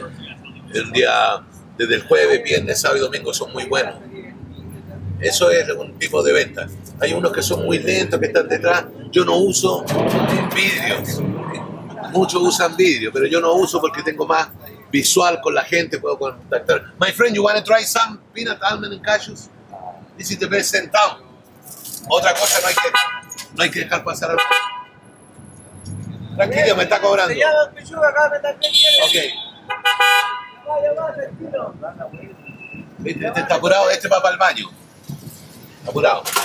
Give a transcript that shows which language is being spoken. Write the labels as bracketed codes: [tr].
[es] Un día desde el jueves, viernes, sábado y domingo son muy buenos. Eso es un tipo de venta. Hay unos que son muy lentos, que están detrás. Yo no uso vidrios. Muchos usan vidrio, pero yo no uso porque tengo más visual con la gente, puedo contactar. [en] My friend, you want to try some peanut, almond and cashews? This is the best in town. [es] Otra cosa, no hay que dejar pasar algo. Tranquilo, me está cobrando. Ok. Este está curado, este va para el baño. Apurado.